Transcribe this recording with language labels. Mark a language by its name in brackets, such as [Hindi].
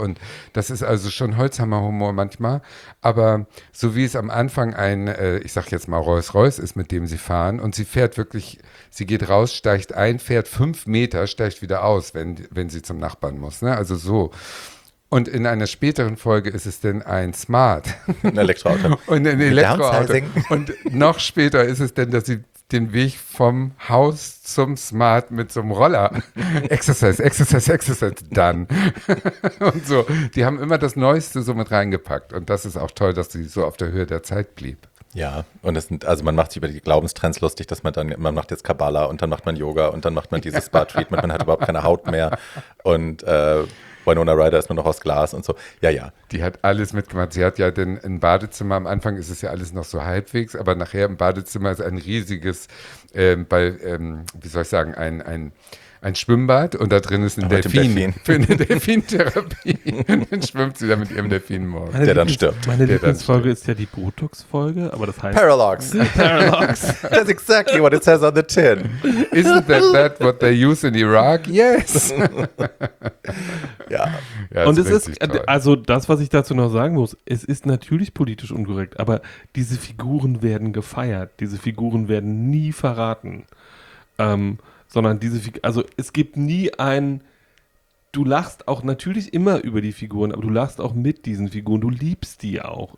[German] Und das ist also schon Holzhammerhumor manchmal. Aber so wie es am Anfang ein, ich sag jetzt mal Rolls-Royce ist, mit dem sie fahren und sie fährt wirklich, sie geht raus, steigt ein, fährt 5 Meter, steigt wieder aus, wenn sie zum Nachbarn muss. Ne? Also so. Und in einer späteren Folge ist es denn ein Smart. Ein Elektroauto. Und ein Elektroauto. Und noch später ist es denn, dass sie den Weg vom Haus zum Smart mit so einem Roller. [English] Exercise, exercise, exercise, done. [German] Und so. Die haben immer das Neueste so mit reingepackt. Und das ist auch toll, dass sie so auf der Höhe der Zeit blieb. Ja, und es sind, also man macht sich über die Glaubenstrends lustig, dass man dann, man macht jetzt Kabbala und dann macht man Yoga und dann macht man dieses Spa-Treatment, man hat überhaupt keine Haut mehr. Und Winona Ryder ist nur noch aus Glas und so. Ja, ja. Die hat alles mitgemacht. Sie hat ja denn ein Badezimmer. Am Anfang ist es ja alles noch so halbwegs, aber nachher im Badezimmer ist ein riesiges, wie soll ich sagen, ein Schwimmbad und da drin ist ein Delfin. Für eine Delfintherapie. Und dann schwimmt sie da mit ihrem Delfin morgen. Der dann stirbt. Meine Lieblingsfolge ist ja die Botox-Folge, aber das heißt. [English] Parallax. That's exactly what it says on the tin. Isn't that what they use in Iraq? Yes. [German] Ja. Und es ist, also das, was ich dazu noch sagen muss, es ist natürlich politisch unkorrekt, aber diese Figuren werden gefeiert. Diese Figuren werden nie verraten. Sondern diese Figuren, also es gibt nie ein, du lachst auch natürlich immer über die Figuren, aber du lachst auch mit diesen Figuren, du liebst die auch.